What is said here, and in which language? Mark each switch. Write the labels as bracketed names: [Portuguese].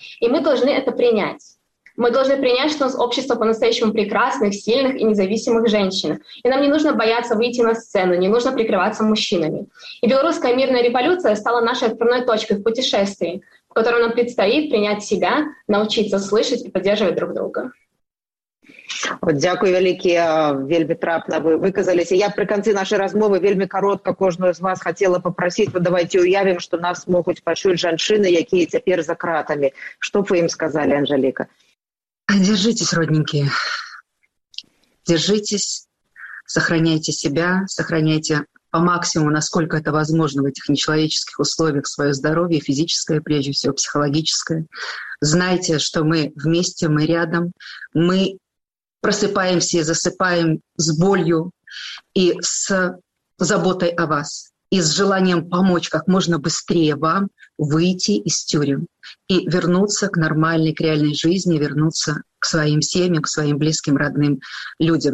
[Russian] И мы должны это принять. Мы должны принять, что у нас общество по-настоящему прекрасных, сильных и независимых женщин. И нам не нужно бояться выйти на сцену, не нужно прикрываться мужчинами. И белорусская мирная революция стала нашей отправной точкой в путешествии, в котором нам предстоит принять себя, научиться слышать и поддерживать друг друга. [Belarusian] От, дякую великі, вельмі трапна вы выказаліся. Я при канцы нашай размовы вельмі коротко кожную з вас хацела попрасіць, вы давайте уявім, што нас могуць пачуць жанчыны, якія цяпер за кратамі. Што б вы ім сказалі, Анжеліка? [Russian] Держитесь, родненькие. Держитесь, сохраняйте себя, сохраняйте по максимуму, насколько это возможно в этих нечеловеческих условиях, свое здоровье, физическое, прежде всего, психологическое. Знайте, что мы вместе, мы рядом, мы просыпаемся и засыпаем с болью и с заботой о вас, и с желанием помочь как можно быстрее вам выйти из тюрем и вернуться к нормальной, к реальной жизни, вернуться к своим семьям, к своим близким, родным людям.